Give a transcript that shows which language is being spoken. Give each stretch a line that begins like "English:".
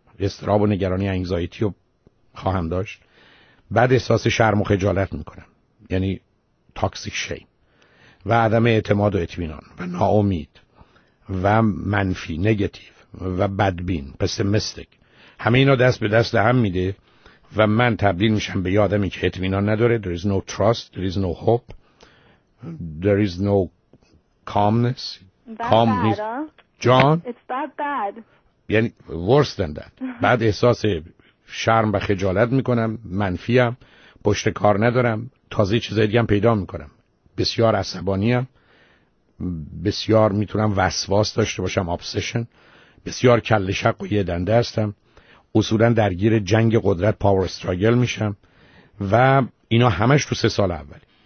Persian: استراب و نگرانی انگزایتی رو خواهم داشت. بعد احساس شرم و خجالت میکنم، یعنی تاکسیک شیم و عدم اعتماد و اطمینان و ناامید و منفی نگتیو و بدبین پسیمیستیک. همه اینا دست به دست هم میده و من تبدیل میشم به آدمی که اطمینان نداره.
English: There is no trust, there is no hope, there is no calmness. Calmness. John, it's that bad. یعنی worse than that.
Persian: بعد احساس شرم و خجالت میکنم، منفیم، پشت کار ندارم، تازه چیزای دیگه هم پیدا میکنم. بسیار عصبانیم، بسیار میتونم وسواس داشته باشم، obsession، بسیار کله شق و یه دنده هستم، اصولا درگیر جنگ قدرت power struggle میشم و اینا همش تو 3 سال اول.